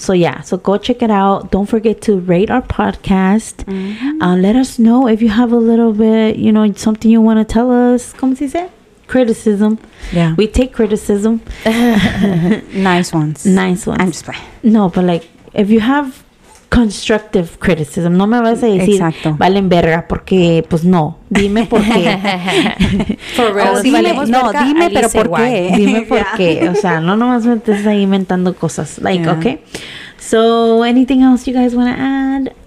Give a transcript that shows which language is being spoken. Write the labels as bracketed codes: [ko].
[en] So go check it out. Don't forget to rate our podcast. Let us know if you have a little bit, you know, something you want to tell us. [es] ¿Cómo se dice? Criticism. [en] Yeah. We take criticism. Nice ones. I'm just playing. No, but like, if you have constructive criticism. [es] No me vas a decir, exacto, valen verga, porque, pues no. Dime por qué. [en] For real. [es] Si dime, no, verga, dime, pero por why. Qué. Dime por qué. O sea, no nomás me estés ahí inventando cosas. [en] Like, yeah. Okay. So, anything else you guys want to add?